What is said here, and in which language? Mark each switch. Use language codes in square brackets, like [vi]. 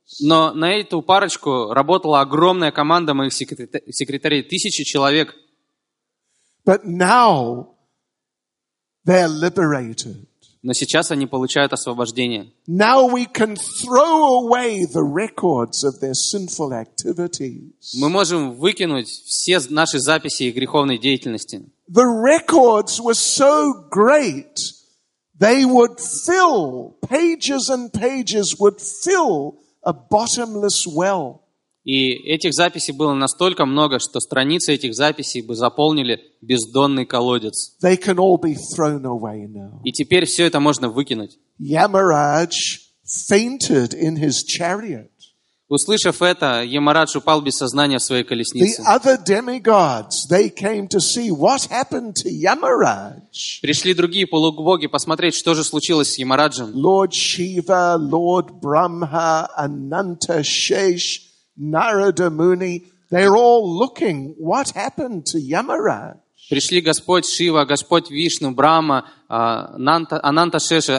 [ru] Но на эту парочку работала огромная команда моих секретарей, 1,000 человек. [en] But now they're liberated. [ru] Но сейчас они получают освобождение. [en] Now we can throw away the records of their sinful activities. [ru] Мы можем выкинуть все наши записи их греховной деятельности. [en] The records were so great, they would fill, pages and pages would fill a bottomless well. [ru] И этих записей было настолько много, что страницы этих записей бы заполнили бездонный колодец. [en] They can all be thrown away now. [ru] И теперь все это можно выкинуть. [en] Yamaraj fainted in his chariot. [ru] Услышав это, Ямарадж упал без сознания в своей колеснице. [en] The other demigods, they came to see what happened to Yamaraj. [ru] Пришли другие полубоги посмотреть, что же случилось с Ямараджем. [en] Lord Shiva, Lord Brahma, Ananta, Shesh, Narada Muni, they're all looking what happened to Yamaraj. [ru] Пришли Господь Шива, Господь Вишну, Брахма, Ананта, Шеша.